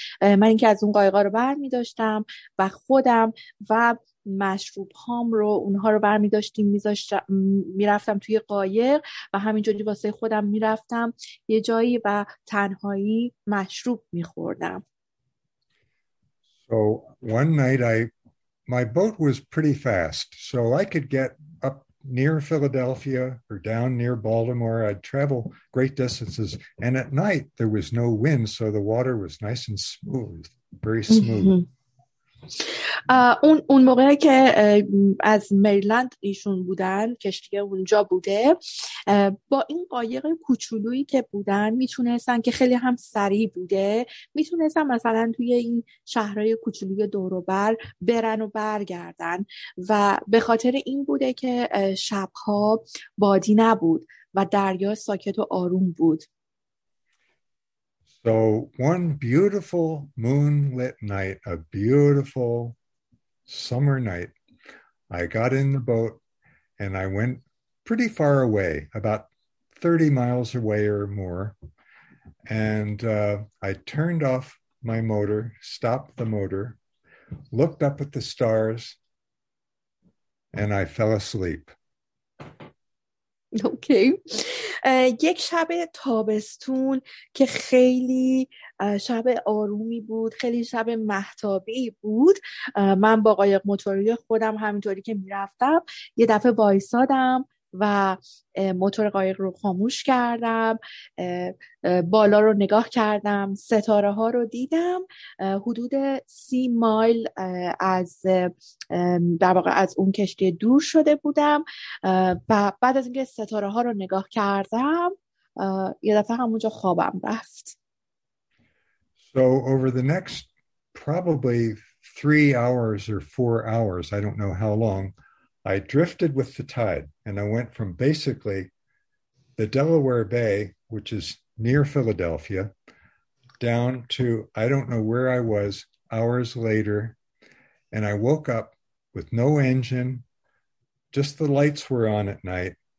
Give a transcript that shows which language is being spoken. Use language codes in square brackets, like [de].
[fa] من اینکه از اون قایق‌ها رو برمی‌داشتم و خودم و مشروب هام رو اونها رو برمی داشتیم میرفتم توی قایق و همینجوری واسه خودم میرفتم یه جایی و تنهایی مشروب میخوردم. [en] So one night my boat was pretty fast, so I could get up near Philadelphia or down near Baltimore. I'd travel great distances, and at night there was no wind, so the water was nice and smooth, very smooth. [fa] اون موقعی که از مریلند ایشون بودن کشتی اونجا بوده با این قایق کوچولویی که بودن میتونستن که خیلی هم سریع بوده میتونستن مثلا توی این شهرهای کوچولوی دوروبر برن و برگردن و به خاطر این بوده که شبها بادی نبود و دریا ساکت و آروم بود. [en] So one beautiful moonlit night, a beautiful summer night, I got in the boat and I went pretty far away, about 30 miles away or more. And I turned off my motor, stopped the motor, looked up at the stars, and I fell asleep. Okay. [fa] یک شب تابستون که خیلی شب آرومی بود، خیلی شب مهتابی بود، من با قایق موتوری خودم همینطوری که میرفتم یه دفعه وایسادم و موتور قایق رو خاموش کردم، بالا رو نگاه کردم، ستاره ها رو دیدم، حدود 30 مایل از در واقع از اون کشتی دور شده بودم و بعد از اینکه ستاره ها رو نگاه کردم یه دفعه همونجا خوابم رفت. [en] So over the next probably 3 hours or 4 hours, I don't know how long, I drifted with the tide, and I went from basically the Delaware Bay, which is near Philadelphia, down to I don't know where I was hours later, and I woke up with no engine, just the lights were on at night.